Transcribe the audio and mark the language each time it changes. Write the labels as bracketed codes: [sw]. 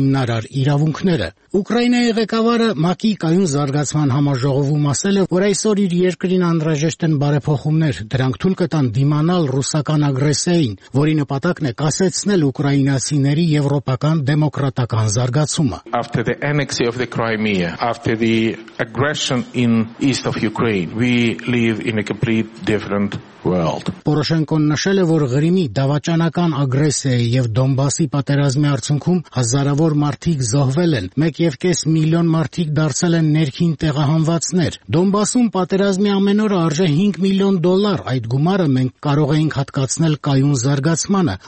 [hy] հիմնարար իրավունքները։ Ուկրաինայի ղեկավարը ՄԱԿ-ի կայուն զարգացման համաժողովում ասել է, որ այսօր իր երկրին անհրաժեշտ են բարեփոխումներ, դրանք թույլ կտան դիմանալ ռուսական ագրեսիային, որի նպատակն է կասեցնել ուկրաինացիների եվրոպական դեմոկրատական զարգացումը։ [en] After the annexation of the Crimea, after the aggression in east of Ukraine, we live in a completely different world. [hy] Պորոշենկոն նշել է, որ Ղրիմի դավաճանական ագրեսիայի եւ Դոնբասի պատերազմի արդյունքում հազարավոր մարդիկ զոհվել են։ 1.5 միլիոն մարդիկ դարձել են ներքին տեղահանվածներ։ Դոնբասում պատերազմի ամեն օրը արժե 5 միլիոն դոլար, այդ գումարը մենք կարող ենք հատկացնել կայուն զարգացմանը,